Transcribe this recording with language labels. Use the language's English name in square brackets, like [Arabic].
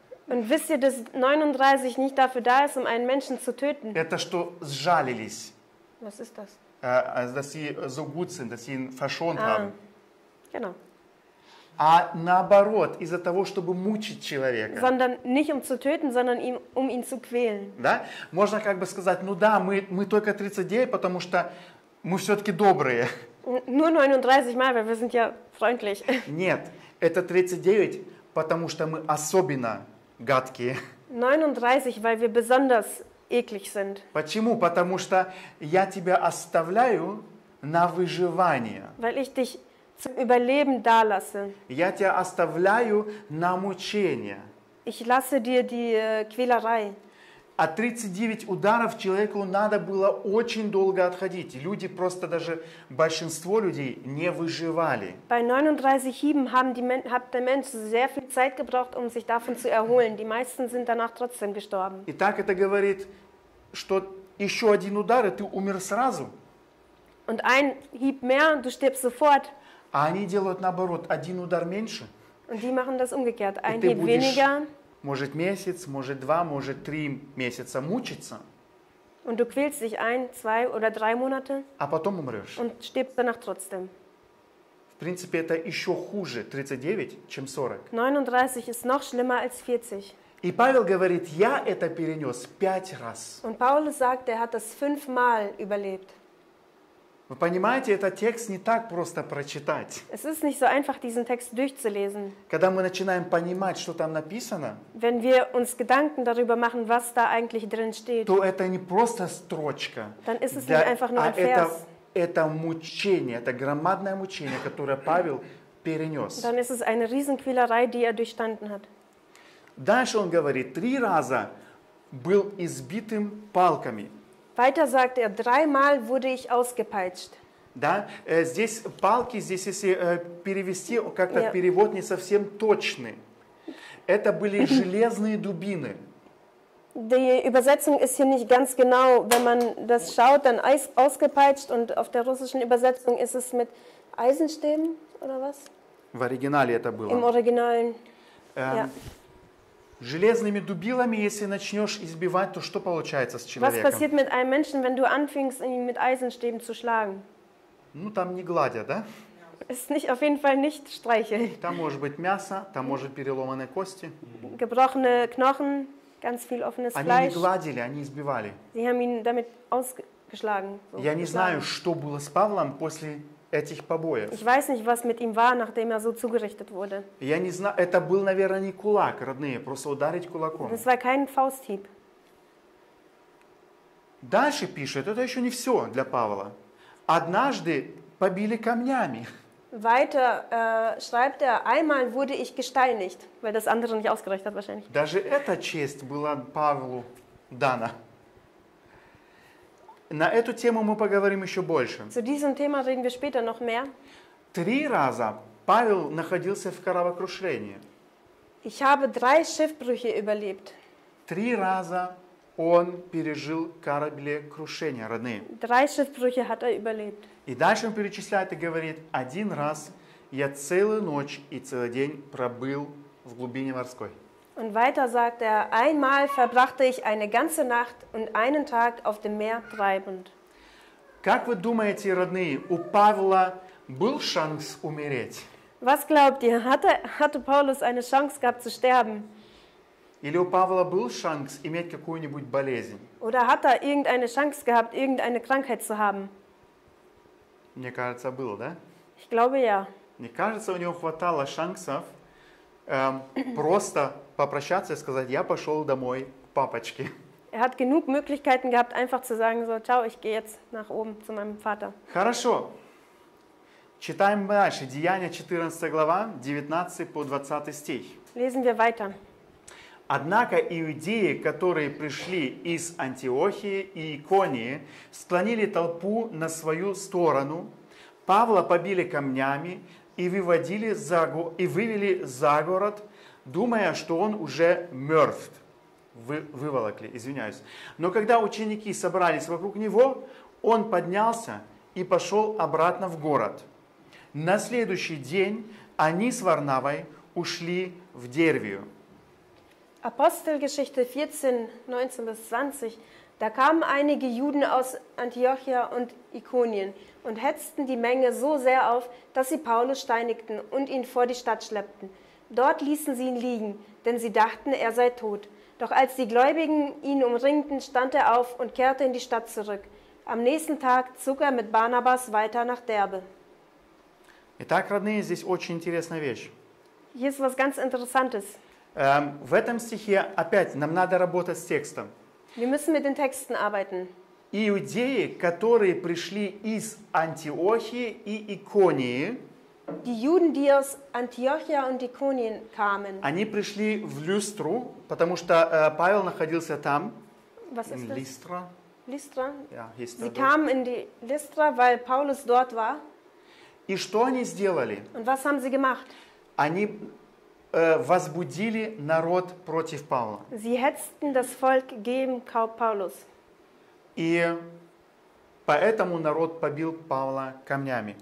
[German] Und wisst ihr, dass 39 nicht dafür da ist, um einen Menschen zu töten? [Russian] Это что сжалились. [German] Was ist das? Dass sie so gut sind, dass sie ihn verschont haben. Genau. [Russian] А наоборот, из-за того, чтобы мучить человека. [German] Sondern nicht um zu töten, sondern um ihn zu quälen. [Russian] Да? Можно как бы сказать, ну да, мы только 39, потому что мы все-таки добрые. [German] Nur 39 Mal, weil wir sind ja freundlich. [Russian] Нет, это 39, потому что мы особенно гадкие. [German] 39, weil wir besonders eklig sind. [Russian] Почему? Потому что я тебя оставляю на выживание. [German] Weil ich dich zum Überleben dalasse. [Russian] Я тебя оставляю на мучение. [German] Ich lasse dir die Quälerei. [Russian] А 39 ударов человеку надо было очень долго отходить. Люди просто, даже большинство людей, не выживали. [German] Bei 39 Hieben hat der Mensch sehr viel Zeit gebraucht, um sich davon zu erholen. Die meisten sind danach trotzdem gestorben. [Russian] Итак, это говорит, что еще один удар, и ты умер сразу. [German] Und ein Hieb mehr, du stirbst sofort. [Russian] А они делают наоборот, один удар меньше. [German] Und die machen das umgekehrt, ein Hieb weniger. [Russian] Может месяц, может 2, может 3 месяца мучиться. [German] Und du quälst dich 1, 2 oder 3 Monate. [Russian] А потом умрешь. [German] Und stirbst danach trotzdem. [Russian] В принципе, это еще хуже 39, чем 40. [German] 39 ist noch schlimmer als 40. [Russian] И Павел говорит, я это перенес 5 раз. [German] Und Paulus sagt, er hat das 5-mal überlebt. [Russian] Вы понимаете, этот текст не так просто прочитать. [German] Es ist nicht so einfach, diesen Text durchzulesen. [Russian] Когда мы начинаем понимать, что там написано, [German] wenn wir uns Gedanken darüber machen, was da eigentlich drin steht, [Russian] то это не просто строчка, [German] dann ist es nicht einfach nur ein Vers. [Russian] Это мучение, это громадное мучение, которое Павел перенес. [German] Dann ist es eine Riesenquälerei, die er durchstanden hat. [Russian] Дальше он говорит, три раза был избитым палками. [German] Weiter sagt er, dreimal wurde ich ausgepeitscht. [Russian] Да, здесь палки, здесь если перевести, как-то [English] yeah. [Russian] перевод не совсем точный. Это были железные дубины. [German] Die Übersetzung ist hier nicht ganz genau. Wenn man das schaut, dann ausgepeitscht und auf der russischen Übersetzung ist es mit Eisenstäben oder was? [Russian] В оригинале это было. [German] Im Originalen. Ja. [Russian] Железными дубилами, если начнешь избивать, то что получается с человеком? [German] Was passiert mit einem Menschen, wenn du anfängst, ihn mit Eisenstäben zu schlagen? [Russian] Ну, там не гладят, да? [German] Es ist nicht, auf jeden Fall nicht streicheln. [Russian] Там может быть мясо, там может переломанные кости. [German] Gebrochene Knochen, ganz viel offenes [Russian] они [German] Fleisch. [Russian] Они не гладили, они избивали. [German] Sie haben ihn damit ausgeschlagen. So [Russian] Я не знаю, что было с Павлом после этих побоев. [German] Ich weiß nicht, was mit ihm war, nachdem er so zugerichtet wurde. [Russian] Я не знаю, это был, наверное, не кулак, родные, просто ударить кулаком. [German] Das war kein Fausthieb. [Russian] Дальше пишет, это еще не все для Павла. Однажды побили камнями. Weiter schreibt er, einmal wurde ich gesteinigt, weil das andere nicht ausgereicht hat wahrscheinlich. Даже эта честь была Павлу дана. На эту тему мы поговорим еще больше. [German] Zu diesem Thema reden wir später noch mehr. [Russian] Три раза Павел находился в кораблекрушении. [German] Ich habe drei Schiffbrüche überlebt. [Russian] Три раза он пережил кораблекрушение, родные. [German] Drei Schiffbrüche hat er überlebt. [Russian] И дальше он перечисляет и говорит, один раз я целую ночь и целый день пробыл в глубине морской. [German] Und weiter sagt er, einmal verbrachte ich eine ganze Nacht und einen Tag auf dem Meer treibend. [Russian] Как вы думаете, родные, у Павла был шанс умереть? [German] Was glaubt ihr, hatte Paulus eine Chance gehabt zu sterben? [Russian] Или у Павла был шанс иметь какую-нибудь болезнь? [German] Oder hat er irgendeine Chance gehabt, irgendeine Krankheit zu haben? [Russian] Мне кажется, был, да? [German] Ich glaube, ja. [Russian] Мне кажется, у него хватало шансов просто попрощаться и сказать, я пошел домой к папочке. [German] Er hat genug Möglichkeiten gehabt, einfach zu sagen, so, ciao, ich gehe jetzt nach oben zu meinem Vater. [Russian] Хорошо. Читаем дальше. Деяния 14 глава, 19 по 20 стих. [German] Lesen wir weiter. [Russian] Однако иудеи, которые пришли из Антиохии и Иконии, склонили толпу на свою сторону, Павла побили камнями и выводили за вывели за город, думая, что он уже мертв. Выволокли, извиняюсь. Но когда ученики собрались вокруг него, он поднялся и пошел обратно в город. На следующий день они с Варнавой ушли в Дервию. [German] Apostelgeschichte 14, 19 bis 20. Da kamen einige Juden aus Antiochia und Ikonien und hetzten die Menge so sehr auf, dass sie Paulus steinigten und ihn vor die Stadt schleppten. Dort ließen sie ihn liegen, denn sie dachten, er sei tot. Doch als die Gläubigen ihn umringten, stand er auf und kehrte in die Stadt zurück. Am nächsten Tag zog er mit Barnabas weiter nach Derbe. [Russian] Итак, родные, здесь очень интересная вещь. [German] Hier ist was ganz Interessantes. [Russian] В этом стихе опять нам надо работать с текстом. [German] Wir müssen mit den Texten arbeiten. [Russian] Иудеи, которые пришли из Антиохии и Иконии, [German] die Juden, die aus Antiochia und Iconien kamen, [Russian] они пришли в Люстру, потому что Павел находился там. [German] Was ist in das? [Russian] Листра. Листра? [German] Ja, Sie dort. Kamen in die Listra, weil Paulus dort war. [Russian] И что они сделали? [German] Und was haben sie gemacht? [Russian] Они возбудили народ против Павла. [German] Sie hetzten das Volk gegen Paulus. [Russian] И поэтому народ побил Павла камнями.